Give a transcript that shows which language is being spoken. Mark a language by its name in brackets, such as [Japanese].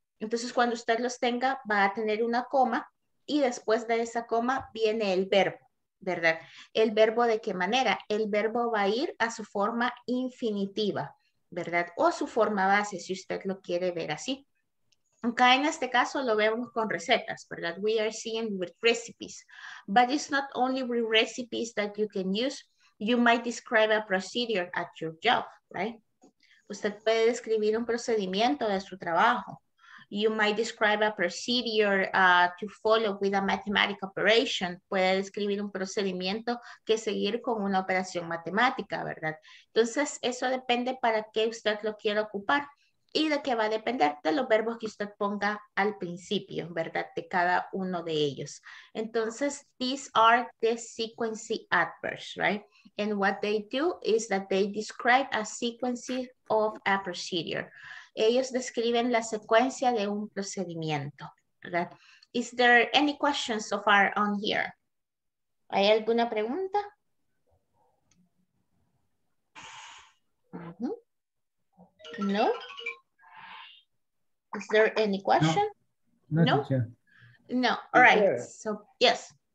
[Spanish] Entonces, cuando usted los tenga, va a tener una coma y después de esa coma viene el verbo. ¿Verdad? ¿El verbo de qué manera? El verbo va a ir a su forma infinitiva, ¿verdad? O su forma base, si usted lo quiere ver así. Acá en este caso lo vemos con recetas, ¿verdad? [English] We are seeing with recipes. But it's not only with recipes that you can use. You might describe a procedure at your job, right? [Spanish] Usted puede describir un procedimiento de su trabajo. [English] You might describe a procedure to follow with a mathematical operation. [Spanish] Puede describir un procedimiento que seguir con una operación matemática, ¿verdad? Entonces, eso depende para qué usted lo quiera ocupar y de qué va a depender de los verbos que usted ponga al principio, ¿verdad? De cada uno de ellos. Entonces, [English] these are the sequency adverbs, right? And what they do is that they describe a sequence of a procedure. [Spanish] Ellos describen la secuencia de un procedimiento, ¿verdad? [English] Is there any questions so far on here? [Spanish] ¿Hay alguna pregunta? No. [English] Is there any question? No. No. No. All right. So yes.